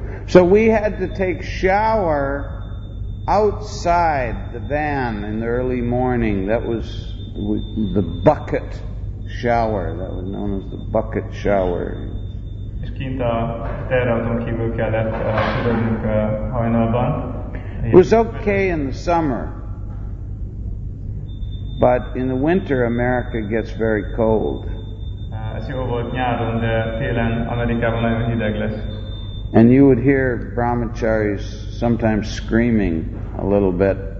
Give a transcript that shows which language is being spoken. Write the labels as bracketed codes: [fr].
[en] So we had to take shower outside the van in the early morning. That was the bucket shower, that was known as the bucket shower. [hu] És kint a teherautón kívül kellett fürödnünk hajnalban. [en] It was okay in the summer, but in the winter America gets very cold. [hu] Ez jó volt nyáron, de télen Amerikában nagyon hideg lesz. [en] And you would hear brahmacharis sometimes screaming a little bit.